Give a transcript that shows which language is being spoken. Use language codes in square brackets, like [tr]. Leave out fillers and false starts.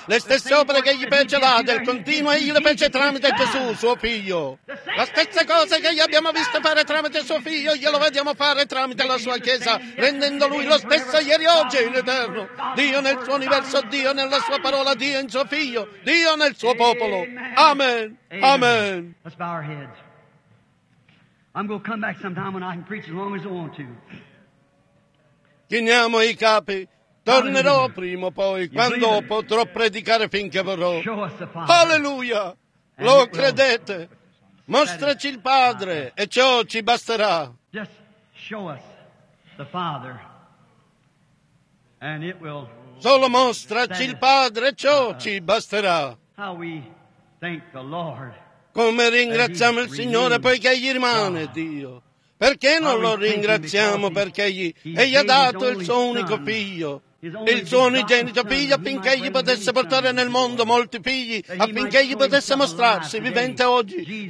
[it] Le stesse opere che egli fece là, del continuo, egli le fece tramite Gesù, suo Figlio. La stessa cosa che gli abbiamo visto fare tramite suo Figlio, glielo vediamo fare tramite la sua Chiesa, rendendo Lui lo stesso ieri, oggi e in eterno. Dio nel suo universo, Dio nella sua parola, Dio in suo Figlio, Dio nel suo popolo. Amen. Amen. [en] I'm going to come back sometime when I can preach as long as I want to. [it] Chiniamo i capi. Tornerò prima o poi, quando potrò predicare finché vorrò. Alleluia! Lo credete? Mostraci il Padre e ciò ci basterà. [en] Just show us the Father and it will. [it] Solo mostraci il Padre e ciò ci basterà. [en] How we thank the Lord. [it] Come ringraziamo il Signore poiché Egli rimane Dio. Perché non lo ringraziamo? Perché Egli ha dato il suo unico Figlio. il suo unigenito figlio affinché egli potesse portare nel mondo molti figli, affinché egli potesse mostrarsi vivente oggi.